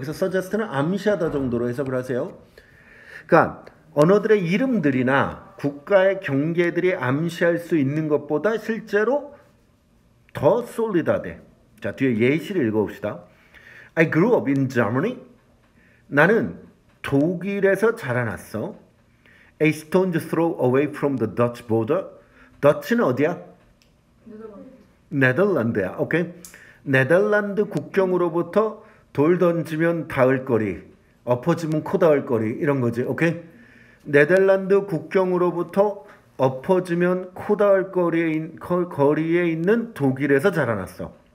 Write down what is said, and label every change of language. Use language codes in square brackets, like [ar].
[ko] 여기서 suggest는 암시하다 정도로 해석을 하세요. 그러니까, 언어들의 이름들이나 국가의 경계들이 암시할 수 있는 것보다 실제로 더 솔리드하대. 자, 뒤에 예시를 읽어봅시다. [en] I grew up in Germany. [ko] 나는 독일에서 자라났어. [en] A stone's throw away from the Dutch border. [ko] Dutch는 어디야? 네덜란드야. 오케이. 네덜란드 국경으로부터 돌 던지면 닿을 거리, 엎어지면 코 닿을 거리, 이런 거지. 오케이. 네덜란드 국경으로부터 엎어지면 코 닿을 거리에 있는 독일에서 자라났어.